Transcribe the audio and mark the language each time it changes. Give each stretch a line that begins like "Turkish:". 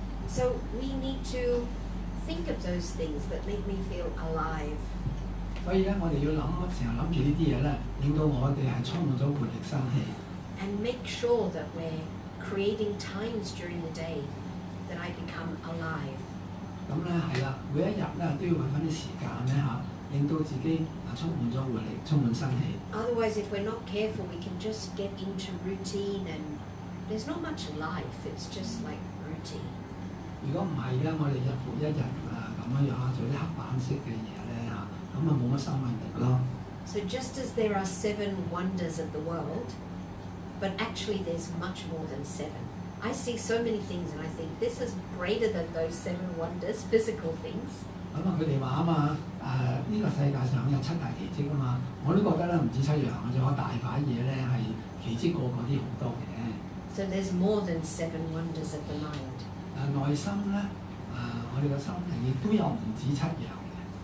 English: So we need to think of those things that make me feel alive。
Cantonese: 所以咧，我哋要諗，成日諗住呢啲嘢咧，令到我哋係充滿咗活力生氣。
English: And make sure that we're creating times during the day that I become alive。
Cantonese: 咁咧係啦，每一日咧都要揾翻啲時間咧嚇。令到自己充滿咗活力，充滿生氣。
English: Otherwise, if we're not careful, we can just get into routine, and there's not much life. It's just like routine.
Cantonese: 如果唔係咧，我哋日復一日咁樣樣做啲黑板式嘅嘢咧嚇，咁啊冇乜生命力咯。
English: So just as there are seven wonders of the world, but actually there's much more than seven. I see so many things, and I think this is greater than those seven wonders, physical things.
Cantonese: 咁啊，佢哋話啊嘛，這個世界上有七大奇蹟啊嘛，我都覺得咧唔止七樣，仲有大把嘢咧係奇蹟過嗰啲好多嘅。
English: So there's more than seven wonders of the mind。
Cantonese: 內心咧，我哋嘅心靈亦都有唔止七樣嘅。